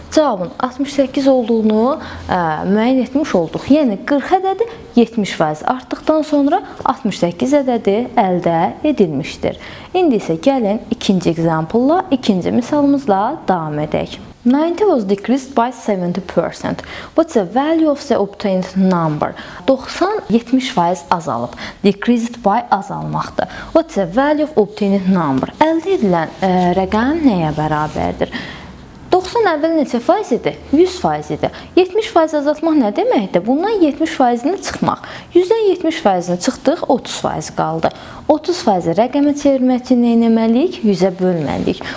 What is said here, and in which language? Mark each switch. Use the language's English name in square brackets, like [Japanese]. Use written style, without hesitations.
[Azerbaijani] Cavabın 68 olduğunu müəyyən etmiş olduq. Yəni, 40 ədədi 70% artdıqdan sonra 68 ədədi əldə edilmişdir. İndi isə gəlin ikinci example-la, ikinci misalımızla davam edək. [English] 90 was decreased by 70%. What's the value of the obtained number? [Azerbaijani] 90 70% azalıb. [English] Decreased by [Azerbaijani] azalmaqdır. [English] What's the value of obtained number? [Azerbaijani] Əldə edilən rəqəm nəyə bərabərdir? 90 əvvəl neçə faiz idi? 100% idi. 70% azaltmaq nə deməkdir? Bundan 70%-ni çıxmaq. 100-dən 70%-ni çıxdıq, 30% qaldı. 30%-i rəqəmə çevirmək üçün nə etməliyik? 100-ə bölməliyik.